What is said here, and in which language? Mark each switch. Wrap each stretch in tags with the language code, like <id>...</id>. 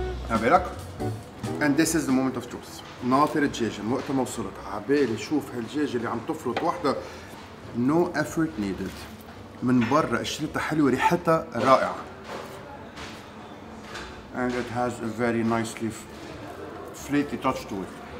<ar>عبالك؟</ar> <en>And this is the moment of truth.</en> <ar>ناطر الدجاجة وقت ما وصلت عبالي شوف هالدجاجة اللي عم تفرط واحدة.</ar> <en>No effort needed.</en> <ar>من برا اشتريتها حلوة ريحتها رائعة.</ar> <en>And it has a very nicely flaky touch to it.</en>